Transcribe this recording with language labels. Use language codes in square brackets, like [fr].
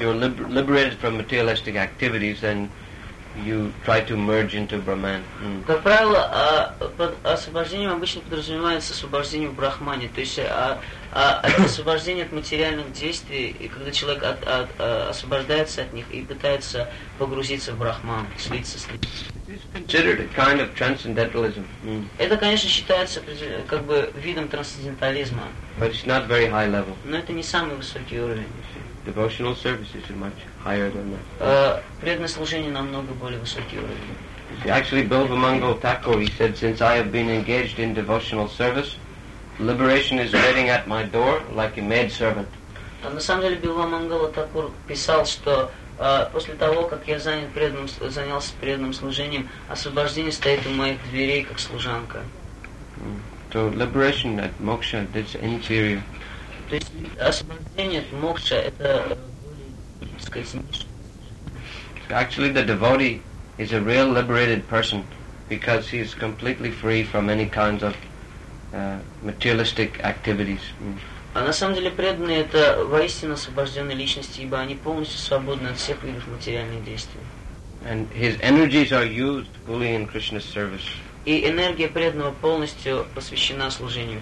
[en] You're liberated from materialistic activities and you try to merge into Brahman. [ru] Как правило, под освобождением обычно подразумевается освобождение в Брахмане. То есть освобождение от материальных действий, и когда человек освобождается от них и пытается погрузиться в Брахман, слиться с ним. [en] Considered a kind of transcendentalism. [ru] Это, конечно, считается как бы видом трансцендентализма. [en] But it's not very high level. [ru] Но это не самый высокий уровень. [en] devotional services are much higher than that. [ru] Преданное служение намного более высокий уровень. [en] Actually, Bilva Mangal Thakur, he said, since I have been engaged in devotional service, liberation is waiting at my door like a maid servant. [ru] На самом деле Билва Мангала Такур писал, что после того, как я занялся преданным служением, освобождение стоит у моих дверей как служанка. [en] So liberation at moksha, that's inferior. [ru] То есть освобождение от мокша это более, так сказать, ниже. [en] Actually, the devotee is a real liberated person because he is completely free from any kinds of materialistic activities. [ru] А на самом деле преданные это воистину освобожденные личности, ибо они полностью свободны от всех видов материальных действий. [en] And his energies are used fully in Krishna's service. [ru] И энергия преданного полностью посвящена служению.